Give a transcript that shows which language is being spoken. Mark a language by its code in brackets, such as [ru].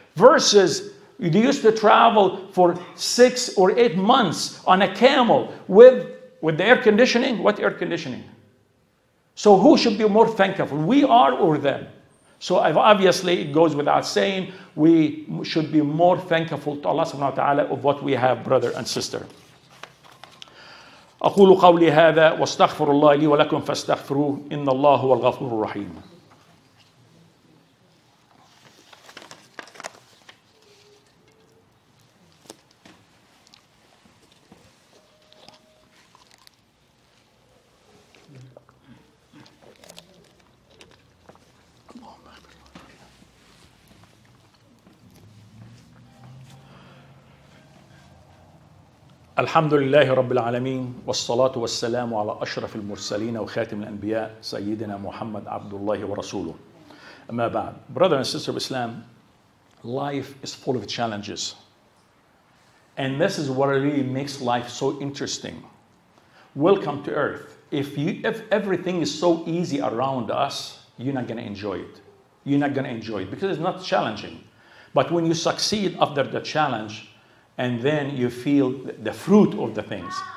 [en] Versus you used to travel for 6 or 8 months on a camel with the air conditioning. What air conditioning? So who should be more thankful? We are or them? So obviously it goes without saying, we should be more thankful to Allah subhanahu wa ta'ala of what we have, brother and sister. [ar] أقول قولي هذا واستغفر الله لي ولكم فاستغفروه إن الله هو الغفور الرحيم. الحمد لله رب العالمين والصلاة والسلام على أشرف المرسلين وخاتم الأنبياء سيدنا محمد عبد الله ورسوله أما بعد [en] Brother and sister of Islam, life is full of challenges. And this is what really makes life so interesting. Welcome to earth. If everything is so easy around us, you're not going to enjoy it. You're not going to enjoy it because it's not challenging. But when you succeed after the challenge, and then you feel the fruit of the things.